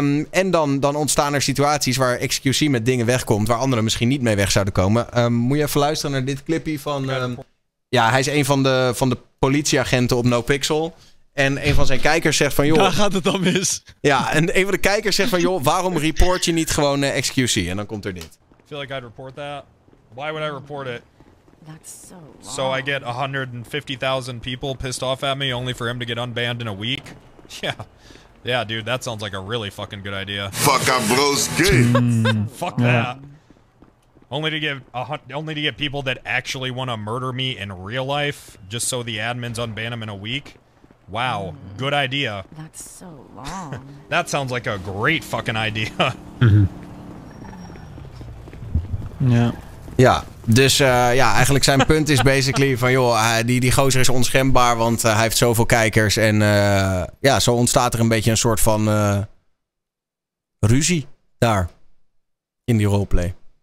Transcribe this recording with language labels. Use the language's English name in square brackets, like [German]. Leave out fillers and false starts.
[Dutch] En dan ontstaan er situaties waar XQC met dingen wegkomt, waar anderen misschien niet mee weg zouden komen. Moet je even luisteren naar dit clipje van... hij is een van de politieagenten op No Pixel. En een van zijn kijkers zegt van, joh... Daar gaat het dan mis. Ja, en een van de kijkers zegt van, joh, waarom report je niet gewoon XQC? En dan komt er dit. [English] I feel like I'd report that. Why would I report it? That's so long. So I get 150,000 people pissed off at me only for him to get unbanned in a week? Yeah. Yeah, dude, that sounds like a really fucking good idea. Fuck, I'm Blue's game. Fuck that. Only to get people that actually want to murder me in real life just so the admins unban them in a week? Wow, good idea. That's so long. That sounds like a great fucking idea. Mm-hmm. Yeah. [Dutch] Ja, dus ja, eigenlijk zijn punt is basically van joh, die gozer is onschendbaar, want hij heeft zoveel kijkers. En ja, zo ontstaat er een beetje een soort van ruzie daar in die roleplay.